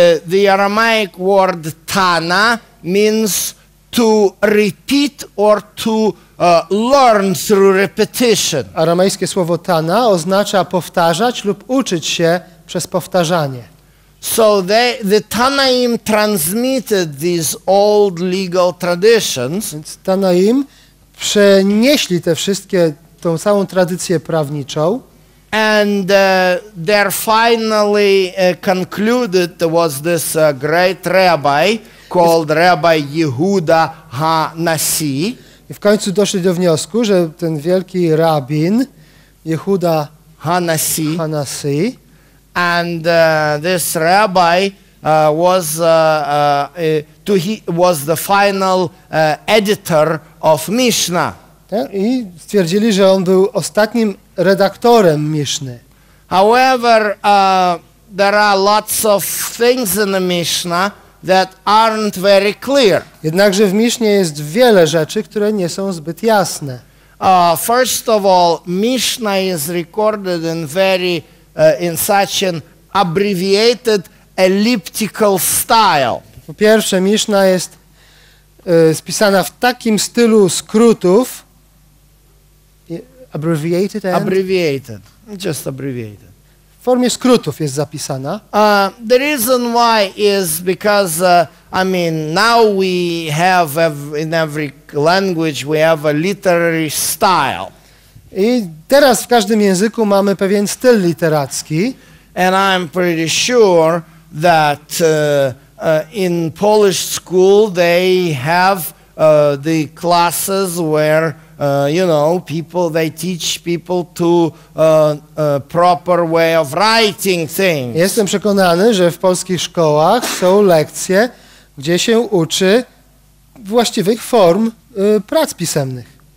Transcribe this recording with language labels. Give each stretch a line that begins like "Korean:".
English: The Aramaic word Tana means to repeat or to learn through repetition.
Polish: Aramejskie słowo tana oznacza powtarzać lub uczyć się przez powtarzanie.
English: So the Tanaim transmitted these old legal traditions.
Polish: Więc Tanaim przenieśli te wszystkie, tą całą tradycję prawniczą.
English: And they're finally concluded, there was this great rabbi called Rabbi Yehuda Hanasi.
Polish: I w końcu doszli do wniosku, że ten wielki rabin Yehuda Hanasi, Hanasi
English: and this rabbi was to he was the final editor of Mishnah.
Polish: Tak? I stwierdzili, że on był ostatnim redaktorem Miszny.
English: However, there are lots of things in the Mishnah that aren't very clear.
Polish: Jednakże w Misznie jest wiele rzeczy, które nie są zbyt jasne.
English: First of all, Mishnah is recorded in very in such an abbreviated elliptical style.
Polish: Po pierwsze, Mishnah jest spisana w takim stylu skrótów.
English: Abbreviated. And? Abbreviated. Just abbreviated.
Polish: W formie skrótów jest zapisana.
English: The reason why is because now we have in every language we have a literary style.
Polish: I teraz w każdym języku mamy pewien styl literacki.
English: And I'm pretty sure that in Polish school they have the classes where people they teach people to proper way of writing things.
Polish: Jestem przekonany, że w polskich szkołach są lekcje, gdzie się uczy właściwych form prac pisemnych.